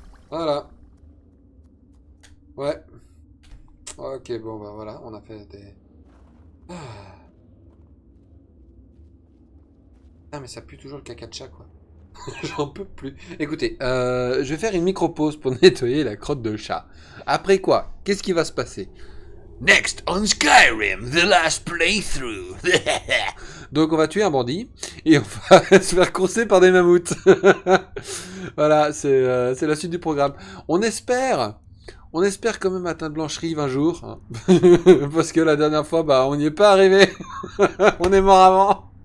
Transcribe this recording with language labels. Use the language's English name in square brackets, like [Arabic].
[French] Voilà. Ouais. Ok, bon, bah voilà, on a fait des... Ah, mais ça pue toujours le caca de chat, quoi. J'en peux plus. Écoutez, je vais faire une micro-pause pour nettoyer la crotte de chat. Après quoi? Qu'est-ce qui va se passer? [English] Next on Skyrim, the last playthrough. [French] Donc on va tuer un bandit et on va se faire courser par des mammouths. Voilà, c'est la suite du programme. On espère quand même atteindre Blancherive un jour. Hein. Parce que la dernière fois, bah, on n'y est pas arrivé. On est mort avant.